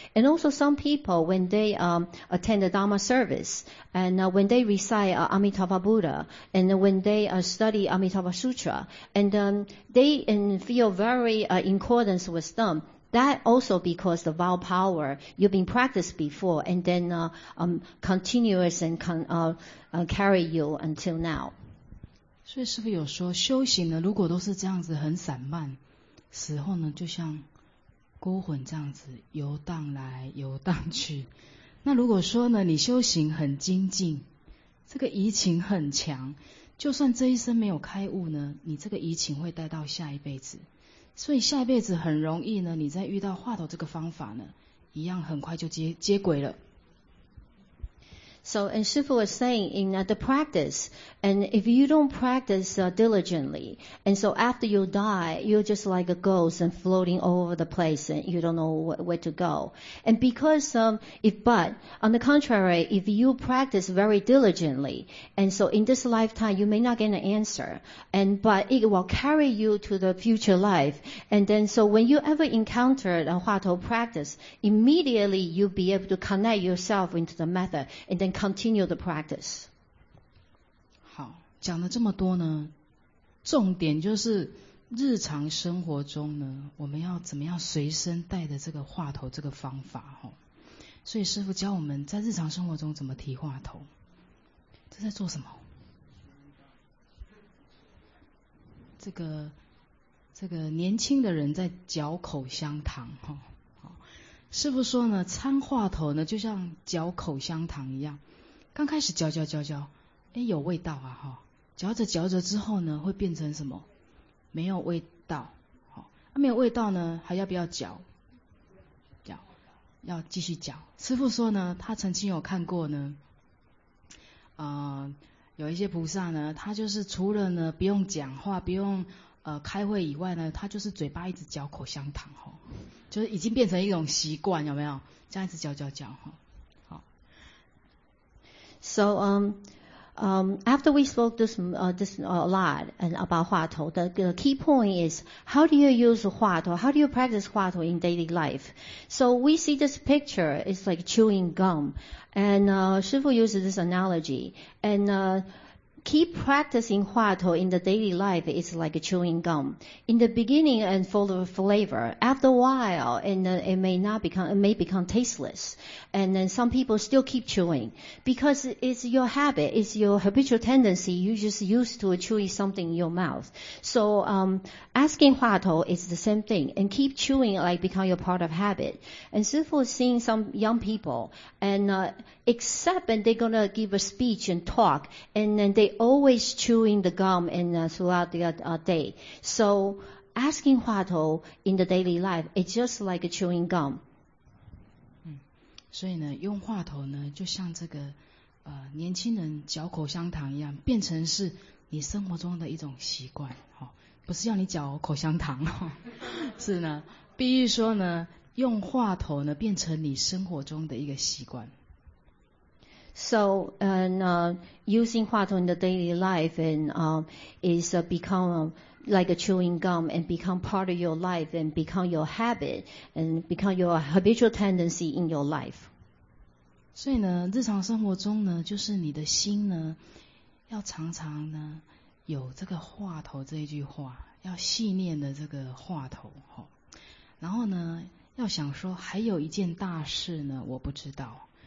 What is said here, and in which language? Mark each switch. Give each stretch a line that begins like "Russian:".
English: And also some people, when they attend the Dharma service, and when they recite Amitabha Buddha, and when they study Amitabha Sutra, and they feel very in accordance with them, that also because the vital power you've been practiced before, and then continuous and carry you until now.
Chinese: 所以师父有说，修行呢，如果都是这样子很散漫，死后呢就像孤魂这样子游荡来游荡去。那如果说呢，你修行很精进，这个怡情很强，就算这一生没有开悟呢，你这个怡情会带到下一辈子。所以下一辈子很容易呢，你再遇到话头这个方法呢，一样很快就接轨了。
English: So and Shifu was saying in the practice, and if you don't practice diligently, and so after you die, you're just like a ghost and floating all over the place, and you don't know where to go. And because on the contrary, if you practice very diligently, and so in this lifetime, you may not get an answer, but it will carry you to the future life. And then so when you ever encounter the Hua Tou practice, immediately you'll be able to connect yourself into the method and then continue the practice.
Chinese: 好，讲了这么多呢，重点就是日常生活中呢，我们要怎么样随身带着这个话头这个方法哦。所以师父教我们在日常生活中怎么提话头，这在做什么？这个年轻的人在嚼口香糖哦。师父说呢，参话头呢就像嚼口香糖一样，刚开始嚼。哎，有味道啊，哈！嚼着之后呢，会变成什么？没有味道，好，没有味道呢，还要不要嚼？要继续嚼。师父说呢，他曾经有看过呢，有一些菩萨呢，他就是除了呢不用讲话、不用开会以外呢，他就是嘴巴一直嚼口香糖，哈，就是已经变成一种习惯，有没有？这样子嚼，哈，好。
English: So after we spoke this a lot and about 话头, the key point is how do you use 话头, how do you practice 话头 in daily life? So we see this picture, it's like chewing gum. And, 师父 uses this analogy. And, keep practicing 话头 in the daily life is like chewing gum. In the beginning and full of flavor, after a while, it may become tasteless. And then some people still keep chewing because it's your habit, it's your habitual tendency. You just used to chewing something in your mouth. So, asking 话头 is the same thing, and keep chewing like become your part of habit. And so for seeing some young people and, except when they're going to give a speech and talk, and then they always chewing the gum throughout the day. So asking 话头 in the daily life, it's just like chewing gum.
Chinese: 所以呢，用话头呢，就像这个年轻人嚼口香糖一样，变成是你生活中的一种习惯，哦，不是要你嚼口香糖，哦，是呢，比喻说呢，用话头呢，变成你生活中的一个习惯。
English: So, using 话头 in the daily life and, is become like a chewing gum and become part of your life and become your habit and become your habitual tendency in your life.
Chinese: 所以呢，日常生活中呢，就是你的心呢，要常常呢，有这个话头这一句话，要细念的这个话头，哦，然后呢，要想说还有一件大事呢，我不知道。